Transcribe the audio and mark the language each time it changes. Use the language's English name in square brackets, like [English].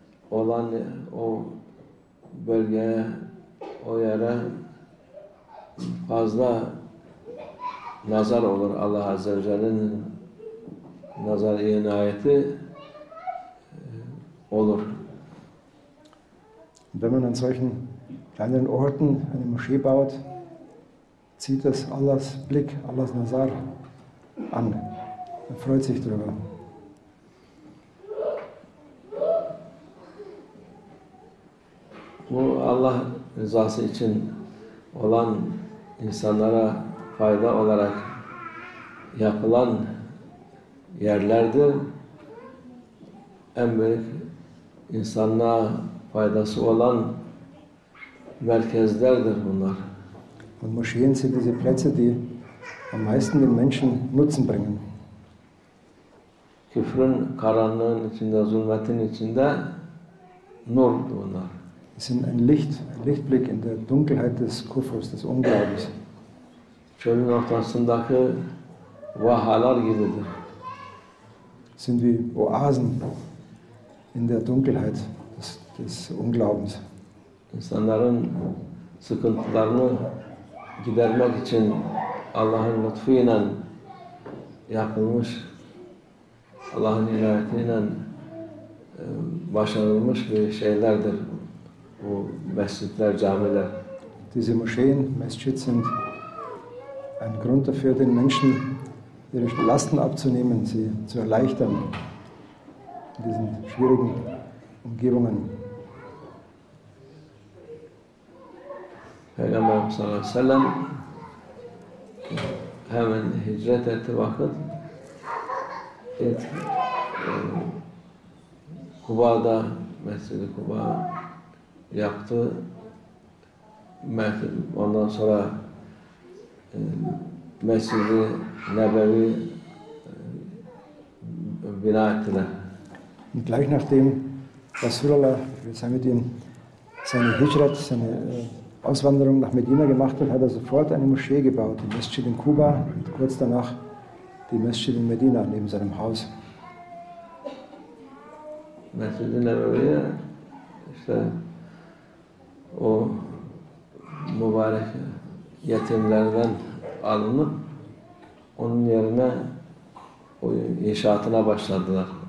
[Turkish] Olan o bölgeye, o yere fazla nazar olur. Allah Azze ve Celle'nin nazar-ı inayeti olur. [German] Und wenn man an solchen kleineren Orten eine Moschee baut, zieht das Allahs Blick, Allahs Nazar an. Er freut sich darüber. [Turkish] Bu Allah rızası için olan insanlara fayda olarak yapılan yerlerdir. En büyük insanlığa faydası olan merkezlerdir bunlar. [German] Und Moscheen sind diese Plätze, die am meisten den Menschen Nutzen bringen. [Turkish] Küfrün karanlığın içinde, zulmetin içinde nur bunlar. [German] Es sind ein Lichtblick in der Dunkelheit des Kufurs, des Unglaubens. [Turkish] Çölün ortasındaki vahalar gibidir. [German] Sind wie Oasen in der Dunkelheit des Unglaubens. [Turkish] İnsanların sıkıntılarını gidermek için Allah'ın lütfuyla yapılmış, Allah'ın inayetiyle başarılmış bir şeylerdir bu mescitler, camiler. [German] Diese Moscheen, Mescid sind ein Grund dafür, den Menschen ihre Lasten abzunehmen, sie zu erleichtern in diesen schwierigen Umgebungen. [Turkish] Peygamber sallallahu aleyhi ve sellem hemen hicret etti vakit Kuba'da Mescid-i Kuba yaptı. Ondan sonra Mescid-i Nebevi bina ettiler. [German] Und gleich nachdem Resulullah mit ihm seine Hicret, seine Auswanderung nach Medina gemacht hat, hat er sofort eine Moschee gebaut, die Mescid in Kuba und kurz danach die Mescid in Medina neben seinem Haus. [Turkish] Mescid in Nebevi, işte o mübarek yetimlerden alınıp onun yerine o inşaatına başladılar.